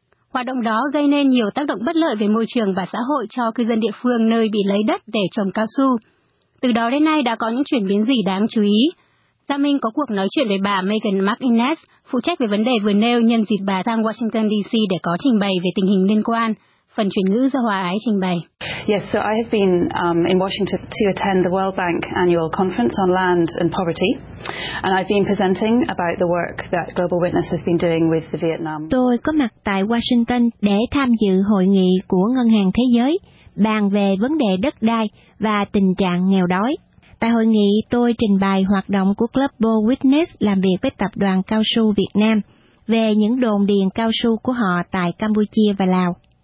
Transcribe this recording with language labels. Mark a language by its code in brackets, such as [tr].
[vi] Hoạt động đó gây nên nhiều tác động bất lợi về môi trường và xã hội cho cư dân địa phương nơi bị lấy đất để trồng cao su. Từ đó đến nay đã có những chuyển biến gì đáng chú ý? Gia Minh có cuộc nói chuyện với bà Megan McInnes, phụ trách về vấn đề vừa nêu nhân dịp bà sang Washington DC để có trình bày về tình hình liên quan. Phần chuyển ngữ do Hòa Ái trình bày. [en] Yes, so I have been in Washington to attend the World Bank annual conference on land and poverty, and I've been presenting about the work that Global Witness has been doing with the Vietnam. [vi] Tôi có mặt tại Washington để tham dự hội nghị của Ngân hàng Thế giới bàn về vấn đề đất đai và tình trạng nghèo đói. Tại hội nghị, tôi trình bày hoạt động của Global Witness làm việc với Tập đoàn Cao su Việt Nam về những đồn điền cao su của họ tại Campuchia và Lào.